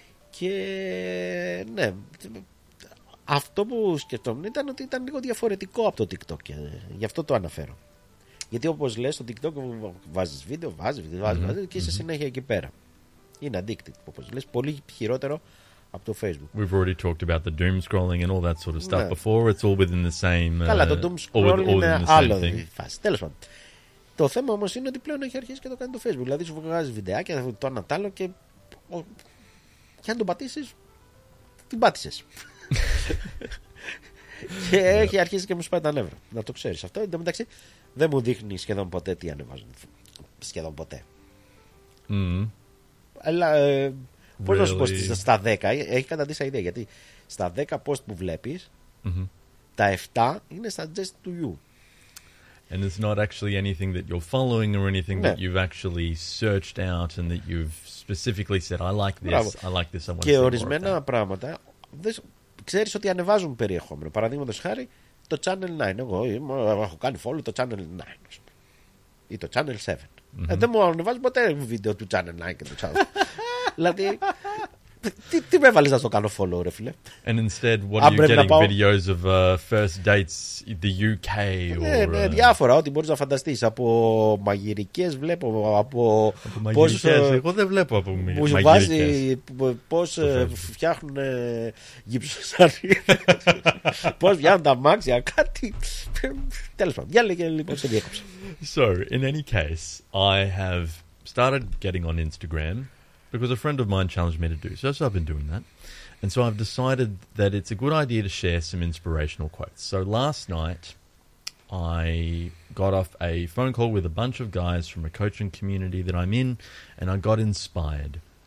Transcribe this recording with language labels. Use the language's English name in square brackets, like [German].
[Greek] Και ναι, αυτό που σκεφτόμουν ήταν ότι ήταν λίγο διαφορετικό από το TikTok. Γι' αυτό το αναφέρω. Γιατί όπως λες, το TikTok βάζεις βίντεο, βάζεις και είσαι συνέχεια εκεί πέρα. Είναι addictive, όπως λες, πολύ χειρότερο από το Facebook. [English] We've already talked about the doom scrolling and all that sort of stuff before. It's all within the same... [Greek] Καλά, το doom scrolling είναι άλλο φάση. Τέλος πάντων. Το θέμα όμως είναι ότι πλέον έχει αρχίσει και το κάνει το Facebook. Δηλαδή σου βγάζει βιντεάκια, το ένα τ' άλλο και... Και αν το πατήσεις, την πάτησες. Και έχει αρχίσει και μου σπάει τα νεύρα. Να το ξέρεις αυτό. Εν τω μεταξύ, δεν μου δείχνει σχεδόν ποτέ τι ανεβάζουν. Σχεδόν ποτέ. Αλλά... Πώς να σου πω, στα 10, έχει καταντήσει ιδέα, γιατί στα 10 post που βλέπεις, τα 7 είναι [English] suggested to you. And it's not actually anything that you're following or anything that you've actually searched out and that you've specifically said, I like this, I like this, I want to see more. [Greek] Και ορισμένα πράγματα, ξέρεις ότι ανεβάζουν περιεχόμενο. Παραδείγματος χάρη, το Channel 9, εγώ έχω κάνει follow το Channel 9, ή το Channel 7. Δεν μου ανεβάζουν ποτέ βίντεο του Channel 9 και το Channel 7. Δηλαδή, τι με έβαλες να στο κάνω follow, ρε φίλε. [English] And instead, what are you getting videos of first dates in the UK? [Greek] Ναι, ναι, διάφορα, ό,τι μπορείς να φανταστείς. Από μαγειρικές βλέπω, από πώς... Εγώ δεν βλέπω από μαγειρικές. Που βάζει πώς φτιάχνουν γυψοσαρίδες. Πώς βγαίνουν τα μάξια, κάτι. Τέλος πάντων, διάλεγε λοιπόν σε διέκοψη. [English] So, in any case, I have started getting on Instagram... Because a friend of mine challenged me to do so, so I've been doing that. And so I've decided that it's a good idea to share some inspirational quotes. So last night, I got off a phone call with a bunch of guys from a coaching community that I'm in, and I got inspired.